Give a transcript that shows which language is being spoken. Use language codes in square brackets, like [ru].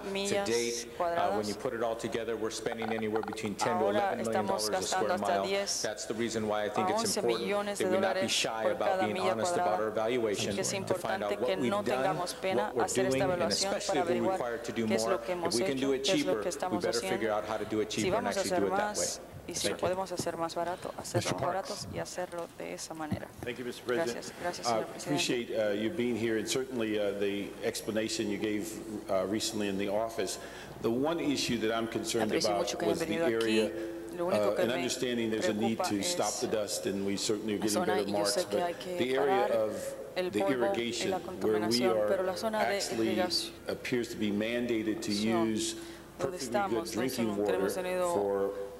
[en] To date, when you put it all together, we're spending anywhere between $10 to $11 million a square mile. That's the reason why I think it's important that we not be shy about being honest about our evaluation, to find out what we've done, what we're doing, and especially if we're required to do more. If we can do it cheaper, we better figure out how to do it cheaper and actually do it that way. [es] Y si lo podemos hacer más barato, hacerlo más barato y hacerlo de esa manera. [en] Thank you, Mr. President. [es] Gracias, señor presidente. [en] Appreciate you being here, and certainly the explanation you gave recently in the office. The one issue that I'm concerned about was the area, and understanding there's a need to stop the dust, and we certainly are getting better marks, but the area of the irrigation, where we are actually appears to be mandated to use perfectly good drinking water for